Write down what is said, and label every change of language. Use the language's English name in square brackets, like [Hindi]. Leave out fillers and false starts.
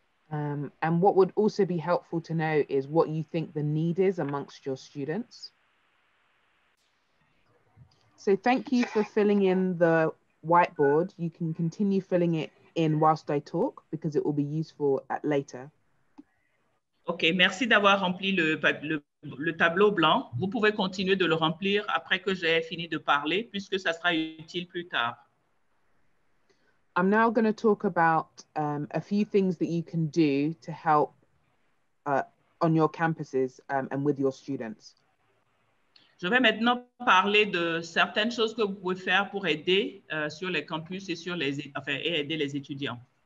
[English] And what would also be helpful to know is what you think the need is amongst your students. So thank you for filling in the whiteboard. You can continue filling it in whilst I talk because it will be useful at later. [French] Okay, merci d'avoir rempli le tableau blanc. Vous pouvez continuer de le remplir après que j'ai fini de parler puisque ça sera utile plus tard. [English] I'm now going to talk about a few things that you can do to help on your campuses and with your students. [French] Je vais maintenant parler de certaines choses que vous pouvez faire pour aider sur les campus et sur les enfin et aider les étudiants.